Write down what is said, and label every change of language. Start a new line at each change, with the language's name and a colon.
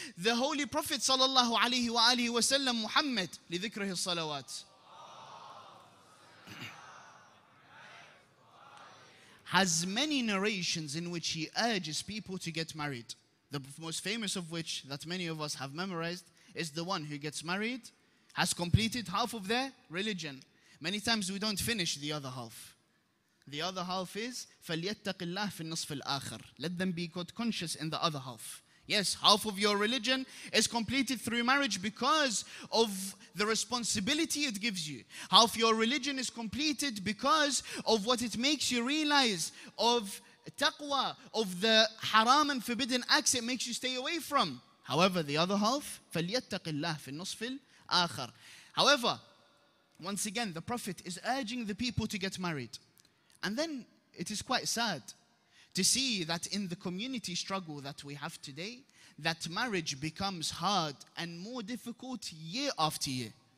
English: The Holy Prophet sallallahu alayhi
Arabic: وآله وسلم محمد لذكره الصلوات
English: has many narrations in which he urges people to get married. The most famous of which that many of us have memorized is the one who gets married has completed half of their religion. Many times we don't finish the other half. The other half is
Arabic: فليتق الله في النصف الآخر.
English: Let them be conscious in the other half. Yes, half of your religion is completed through marriage because of the responsibility it gives you. Half your religion is completed because of what it makes you realize of taqwa, of the haram and forbidden acts it makes you stay away from. However, the other half,
Arabic: فَلْيَتَّقِ اللَّهِ فِي النُّصْفِ الْآخَرِ.
English: However, once again, the Prophet is urging the people to get married. And then it is quite sad to see that in the community struggle that we have today, that marriage becomes hard and more difficult year after year.